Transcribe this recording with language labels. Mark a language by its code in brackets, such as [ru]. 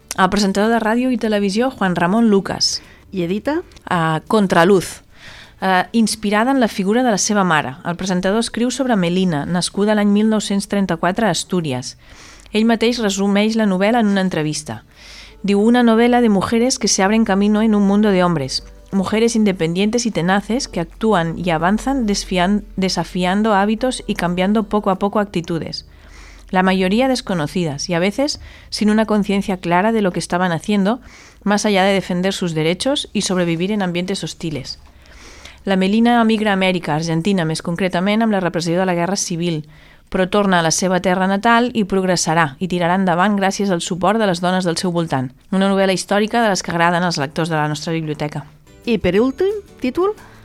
[ca] El presentador de ràdio i televisió Juan Ramón Lucas. I edita? Contraluz. Inspirada en la figura de la seva mare. El presentador escriu sobre Melina, nascuda l'any 1934 a Astúries. Ell mateix resumeix la novel·la en una entrevista. Diu: una novel·la [es] de mujeres que se abren camino en un mundo de hombres. Mujeres independientes y tenaces que actúan y avanzan desafiando hábitos y cambiando poco a poco actitudes. La mayoría desconocidas y a veces sin una conciencia clara de lo que estaban haciendo, más allá de defender sus derechos y sobrevivir en ambientes hostiles. [ca] La Melina emigra a Amèrica, Argentina, més concretament amb la repressió de la Guerra Civil, però torna a la seva terra natal i progressarà i tirarà endavant gràcies al suport de les dones del seu voltant. Una novel·la històrica de les que agraden als lectors de la nostra biblioteca. I per últim, títol?